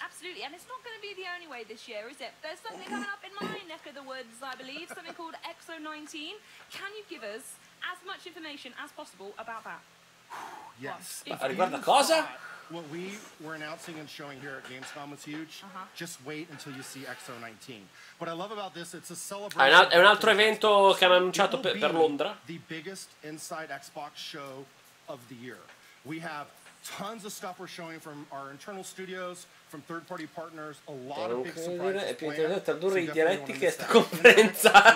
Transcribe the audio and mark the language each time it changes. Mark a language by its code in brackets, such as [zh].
[en] Absolutely, and it's not gonna be the only way this year, is it? There's something coming up in my neck of the woods, I believe, something called XO19. Can you give us as much information as possible about that? [it] Yes. Ma riguarda cosa? [en] What we were announcing and showing here at Gamescom was huge. Uh-huh. Just wait until you see XO19. What I love about this, it's a celebration. [it] È un altro evento che hanno annunciato per Londra. [en] The biggest inside Xbox show of the year. We have tons of stuff we're showing from our internal studios, from third party partners, a lot of big surprises. [it] È più interessante tradurre i dialetti che sta conferenza.